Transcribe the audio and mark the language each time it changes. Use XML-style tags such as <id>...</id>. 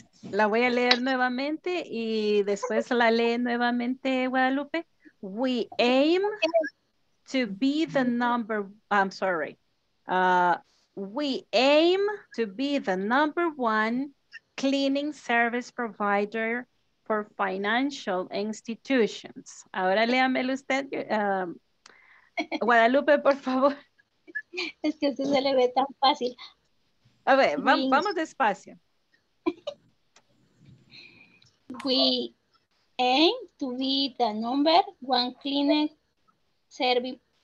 <es>La voy a leer nuevamente y después la lee nuevamente Guadalupe.</es> <en>We aim to be the number, I'm sorry. We aim to be the number one cleaning service provider for financial institutions.</en> <es>Ahora léamelo usted. Guadalupe, por favor. Es que usted se le ve tan fácil. A ver, vamos despacio.</es> <en>We aim to be the number one cleaning service</en>